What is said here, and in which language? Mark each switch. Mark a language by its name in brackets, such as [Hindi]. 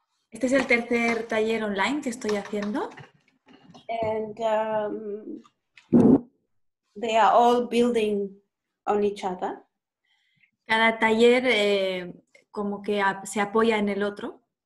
[Spanish] Este es el tercer taller online que estoy haciendo. [English] And they are all building on each other. [Spanish] Cada taller como que se apoya en el otro.